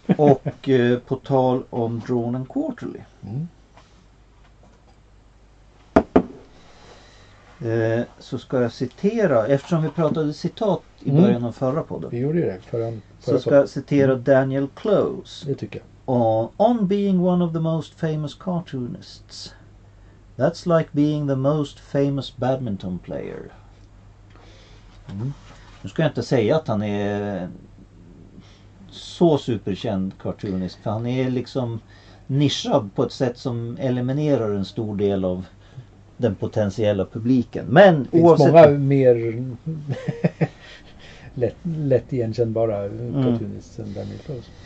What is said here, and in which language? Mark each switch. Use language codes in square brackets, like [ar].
[sv] Och på tal om Drawn and Quarterly. Mm. Så ska jag citera, eftersom vi pratade citat i början av förra podden. Vi gjorde det. Förra så ska jag citera Daniel Clowes. Det tycker jag. [en] On being one of the most famous cartoonists... That's like being the most famous badminton player. Mm. [sv] Nu ska jag inte säga att han är så superkänd cartoonist. För han är liksom nischad på ett sätt som eliminerar en stor del av den potentiella publiken. Men det finns oavsett... många mer lätt igenkännbara cartoonist än Daniel Clowes.